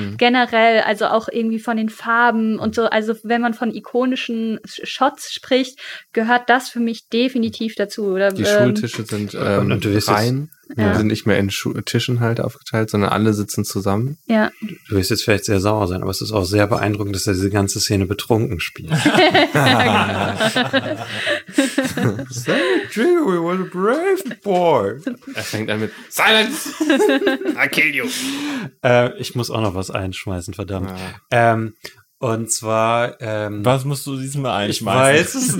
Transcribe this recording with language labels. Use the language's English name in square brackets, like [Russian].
[German] generell, also auch irgendwie von den Farben und so, also wenn man von ikonischen Shots spricht, gehört das für mich definitiv dazu, oder? Die Schultische sind rein, sind nicht mehr in Tischen halt aufgeteilt, sondern alle sitzen zusammen. Ja. Du wirst jetzt vielleicht sehr sauer sein, aber es ist auch sehr beeindruckend, dass er diese ganze Szene betrunken spielt. [English] Say it, Jiggly, you were a brave boy. [German] Er fängt an mit [English] Silence, I kill you. [German] Ich muss auch noch was einschmeißen, verdammt. Ja. Und zwar was musst du diesmal einschmeißen?